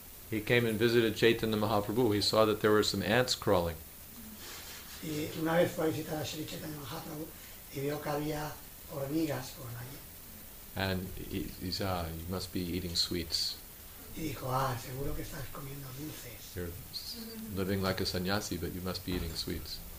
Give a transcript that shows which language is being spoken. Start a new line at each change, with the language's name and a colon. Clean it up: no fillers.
English: He came and visited Chaitanya Mahaprabhu. He saw that there were some ants crawling.
Spanish: Y una vez fue a visitar a Sri Chaitanya Mahaprabhu y vio que había hormigas por allí.
English: And he said, you must be eating sweets.
Spanish: Y dijo, seguro que estás comiendo dulces.
English: You're living like a sannyasi, but you must be eating sweets.